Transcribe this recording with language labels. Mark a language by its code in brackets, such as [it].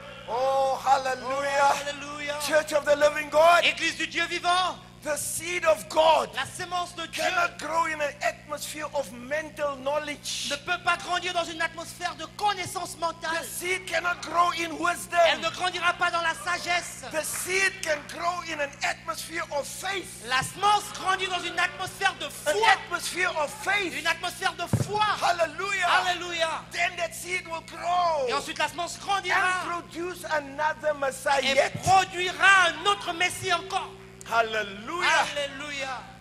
[en] Oh hallelujah. Oh, hallelujah. Church of the living God. [fr] Église du Dieu vivant. [en] The seed of God. [fr] La semence de [en] cannot Cannot grow in an atmosphere of mental knowledge. [fr] Ne peut pas grandir dans une atmosphère de connaissance mentale. [en] The seed cannot grow in wisdom. [fr] Elle ne grandira pas dans la sagesse. [en] The seed can grow in an atmosphere of faith. [fr] La semence grandit dans une atmosphère de foi. [en] An atmosphere of faith. [fr] Une atmosphère de foi. Hallelujah. Hallelujah. [en] Then that seed will grow. [fr] Et ensuite la semence grandira. [en] And produce another Messiah. [fr] Et produira un autre Messie encore. Hallelujah. Hallelujah.